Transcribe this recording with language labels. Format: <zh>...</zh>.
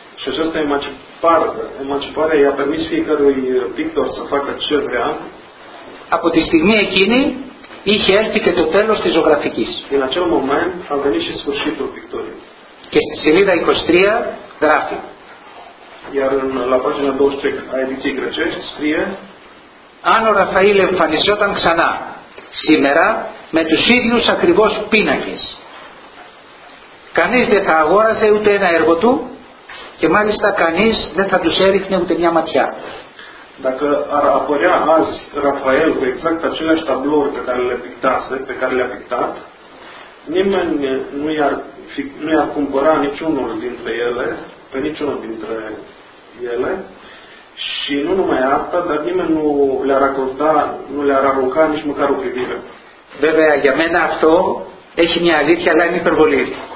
<ro>Și această emancipare i-a permis fiecărui pictor să facă ce vrea.</ro> <el>Από τη στιγμή εκείνη είχε έρθει και το τέλος της ζωγραφικής.</el> <ro>Din acel moment a venit și sfârșitul pictorii.</ro> <el>Και στη σελίδα 23 γράφει.</el> <ro>Iar la pagina 23 a ediției grecești scrie.</ro> <el>Αν ο Ραφαήλ εμφανιζόταν ξανά σήμερα με τους ίδιους ακριβώς πίνακες. Κανείς δεν θα αγόραζε ούτε ένα έργο του. Και μάλιστα κανείς δεν θα τους έριχνε ούτε μια ματιά.</el> <ro>Dacă ar apărea azi Rafael cu exact aceleași tablouri pe care le-a pictase, pe care le-a pictat, nimeni nu i-ar cumpăra niciunul dintre ele, pe niciunul dintre ele, și nu numai asta, dar nimeni nu le-ar acorda, nu le-ar arunca nici măcar o privire.</ro> <el>Βέβαια, για μένα αυτό έχει μια αλήθεια, αλλά είναι υπερβολή.</el>